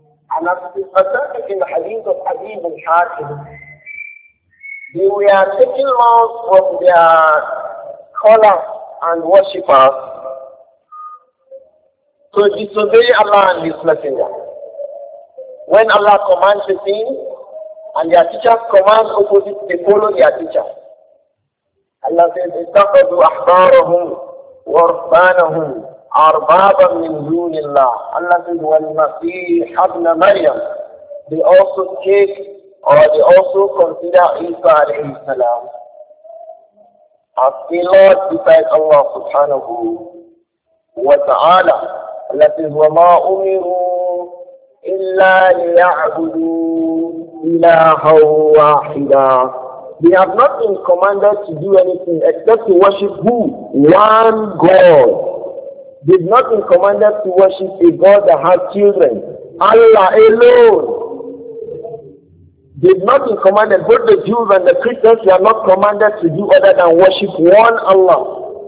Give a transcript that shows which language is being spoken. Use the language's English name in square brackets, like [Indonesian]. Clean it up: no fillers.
[English] And as it is asserted in the hadith of Habib al-Hakim, they were taking laws from their scholars and worshippers to disobey Allah and His Messenger. When Allah commands a thing and their teachers command opposite, they follow their teachers. Allah says, [Arabic] اتخذوا أحبارهم ورهبانهم أربابا من دون الله. [English] Allah says, [Arabic] والمسيح ابن مريم. [English] They also take or they also consider Isa alayhi salam as the Lord beside Allah subhanahu wa ta'ala. Allah says, [Arabic] وما أمروا إلا ليعبدوا إلها واحدا. [English] They have not been commanded to do anything except to worship who? One God. They have not been commanded to worship a God that has children. Allah alone. They have not been commanded, both the Jews and the Christians, they are not commanded to do other than worship one Allah.